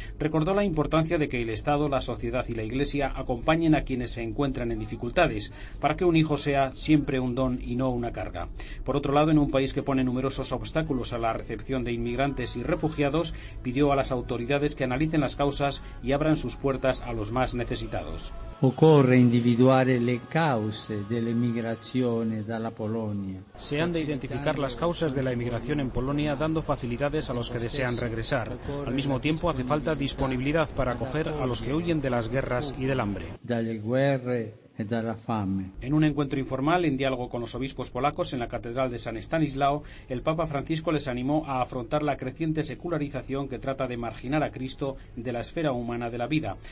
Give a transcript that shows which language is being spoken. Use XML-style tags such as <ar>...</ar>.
<es>Recordó la importancia de que el Estado, la sociedad y la Iglesia acompañen a quienes se encuentran en dificultades, para que un hijo sea siempre un don y no una carga. Por otro lado, en un país que pone numerosos obstáculos a la recepción de inmigrantes y refugiados, pidió a las autoridades que analicen las causas y abran sus puertas a los más necesitados.</es> <it>Ocorre individuare le cause dell'emigrazione dalla Polonia.</it> <es>Se han de identificar las causas de la emigración en Polonia, dando facilidades a los que desean regresar. Al mismo tiempo, hace falta disponibilidad para acoger a los que huyen de las guerras y del hambre.</es> <it>Dalle guerre.</it> <es>En un encuentro informal, en diálogo con los obispos polacos en la Catedral de San Estanislao, el Papa Francisco les animó a afrontar la creciente secularización que trata de marginar a Cristo de la esfera humana de la vida.</es>